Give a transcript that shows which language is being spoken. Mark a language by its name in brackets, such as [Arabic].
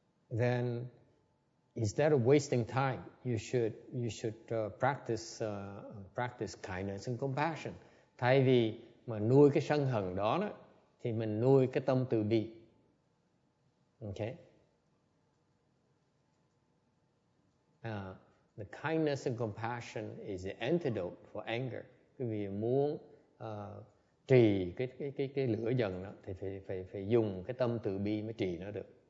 [English] then instead of wasting time, you should practice kindness and compassion. [Vietnamese] Thay vì mà nuôi cái sân hận đó đó, thì mình nuôi cái tâm từ bi. [English] Okay. The kindness and compassion is the antidote for anger. [Vietnamese] Quý vị muốn trì cái lửa giận đó thì phải dùng cái tâm từ bi mới trì nó được.